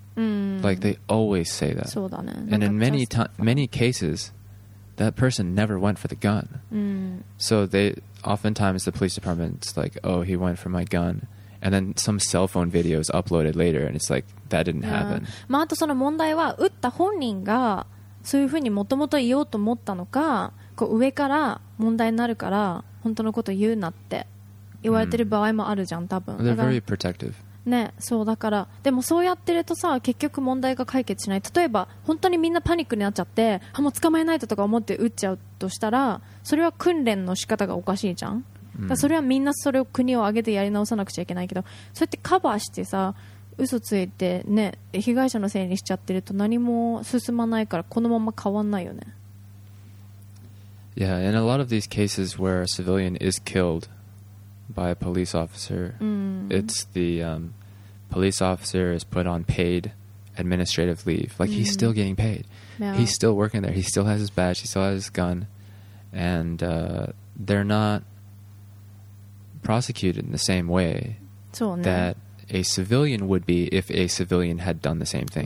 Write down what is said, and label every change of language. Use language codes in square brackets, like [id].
[en] Like they always say that. [ja] そうだね。 [en] And in many cases, that person never went for the gun. So they oftentimes the police department's like, oh, he went for my gun. And then some cell phone video is uploaded later, and it's like that didn't happen. [ja] まああとその問題は撃った本人がそういうふうにもともと言おうと思ったのか、こう上から問題になるから本当のこと言うなって言われてる場合もあるじゃん、多分。 [en] They're very protective. [ja] ね、そうだから、でもそうやってるとさ、結局問題が解決しない。例えば本当にみんなパニックになっちゃって、あ、もう捕まえないととか思って撃っちゃうとしたら、それは訓練の仕方がおかしいじゃん。だからそれはみんなそれを国を挙げてやり直さなくちゃいけないけど、そうやってカバーしてさ、嘘ついてね、被害者のせいにしちゃってると何も進まないから、このまま変わんないよね。 [en] Yeah, and a lot of these cases where a civilian is killedby a police officer. It's the police officer is put on paid administrative leave. Like he's still getting paid. Yeah. He's still working there. He still has his badge. He still has his gun. And they're not prosecuted in the same way that a civilian would be if a civilian had done the same thing.